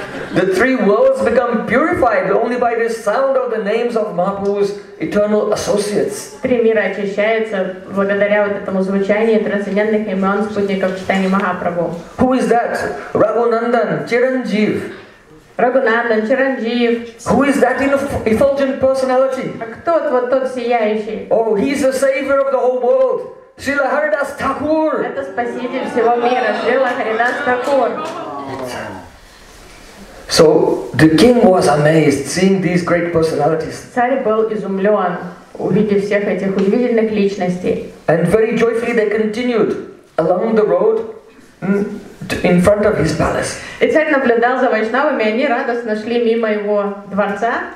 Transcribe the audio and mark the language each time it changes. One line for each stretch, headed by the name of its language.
English: The three worlds become purified only by the sound of the names of Mahaprabhu's eternal associates.
Russian: Три мира очищаются благодаря вот этому звучанию трансцендентных имен спутников Чайтанья Махапрабху.
English: Who is that? Raghunandan, Chiranjeev. Raghunandan, Chiranjeev. Who is that effulgent personality?
Russian: А кто вот тот сияющий?
English: Oh, he is the savior of the whole world. Srila Haridas Thakur.
Russian: Это спаситель всего мира, Srila Haridas Thakur.
English: So the king was amazed seeing these great personalities.
Russian: Царь был изумлен, увидев всех этих удивительных личностей.
English: And very joyfully they continued along the road in front of his palace.
Russian: И царь наблюдал за вайшнавами, они радостно шли мимо его дворца.